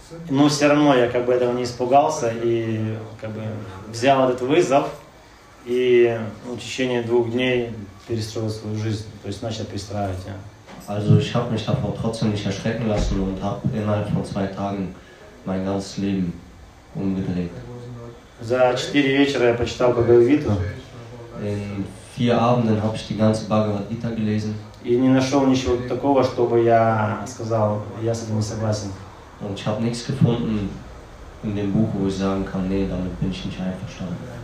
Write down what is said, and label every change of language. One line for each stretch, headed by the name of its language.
Russian: Но все равно я как бы этого не испугался и как бы взял этот вызов и в течение двух дней перестроил свою жизнь, то есть начал перестраивать.
German: Ja. Also ich habe mich davor trotzdem nicht erschrecken lassen und habe innerhalb von 2 Tagen mein ganzes Leben umgedreht.
Russian: За 4 вечера я почитал Бхагавад-гиту.
German: In 4 Abenden habe ich die ganze Bhagavad-gita gelesen.
Russian: И не нашел ничего такого, чтобы я сказал, я с этим не согласен.
German: Und ich habe nichts gefunden in dem Buch, wo ich sagen kann, nee, damit bin ich nicht einverstanden.